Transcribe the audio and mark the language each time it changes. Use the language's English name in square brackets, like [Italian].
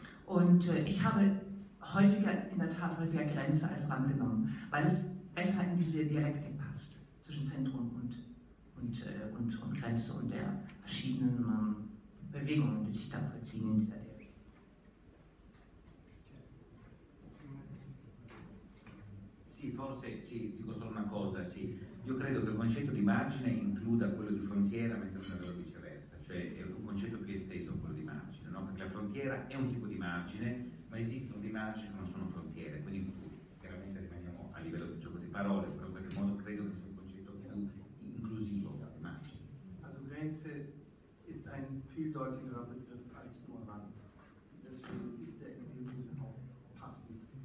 [German] Und ich habe häufiger Grenze als Rand genommen, weil es besser in diese Dialektik passt, zwischen Zentrum und Grenze und der verschiedenen Bewegungen, die sich da vollziehen in dieser Dialektik. [Italian] Sì, forse sì, dico solo una cosa, sì. Io credo che il concetto di margine includa quello di frontiera, mentre non è vero viceversa, cioè è un concetto più esteso quello di margine, no? Perché la frontiera è un tipo di margine, ma esistono dei margini che non sono frontiere, quindi chiaramente rimaniamo a livello di gioco di parole, però in qualche modo credo che sia un concetto più inclusivo di margine. [German] Also Grenze ist ein vieldeutigerer Begriff als nur Rand. Deswegen ist der in dem Sinne auch passend.